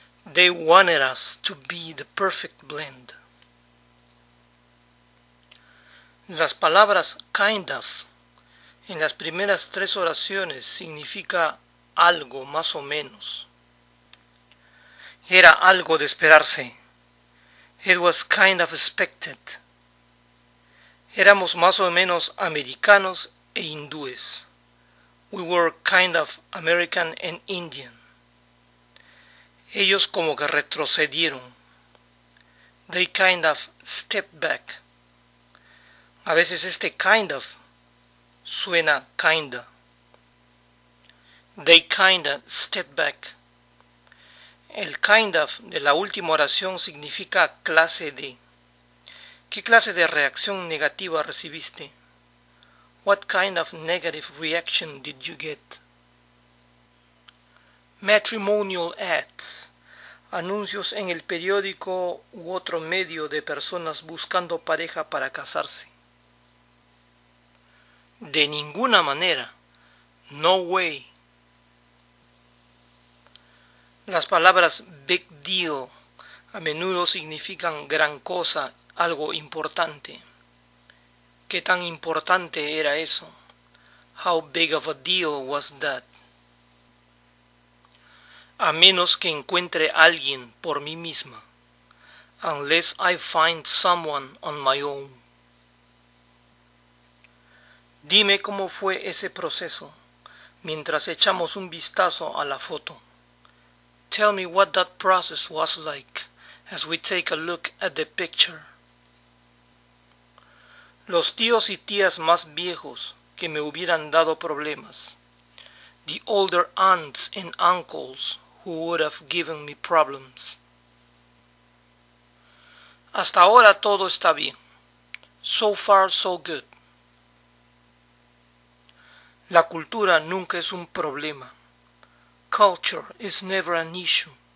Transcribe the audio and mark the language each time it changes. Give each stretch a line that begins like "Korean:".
English: They wanted us to be the perfect blend.
Spanish: Las palabras kind of en las primeras tres oraciones significa algo más o menos. Era algo de esperarse.
English: It was kind of expected.
Spanish: Éramos más o menos americanos e hindúes.
English: We were kind of American and Indian.
Spanish: Ellos como que retrocedieron.
English: They kind of stepped back.
Spanish: A veces este kind of suena kinda.
English: They kinda stepped back.
Spanish: El kind of de la última oración significa clase de. ¿Qué clase de reacción negativa recibiste?
English: What kind of negative reaction did you get? Matrimonial ads.
Spanish: Anuncios en el periódico u otro medio de personas buscando pareja para casarse. De ninguna manera.
English: No way.
Spanish: Las palabras big deal a menudo significan gran cosa, algo importante. ¿Qué tan importante era eso?
English: How big of a deal was that?
Spanish: A menos que encuentre alguien por mí misma.
English: Unless I find someone on my own.
Spanish: Dime cómo fue ese proceso, mientras echamos un vistazo a la foto.
English: Tell me what that process was like as we take a look at the picture.
Spanish: Los tíos y tías más viejos que me hubieran dado problemas.
English: The older aunts and uncles who would have given me problems.
Spanish: Hasta ahora todo está bien.
English: So far so good.
Spanish: La cultura nunca es un problema.
English: Culture is never an issue.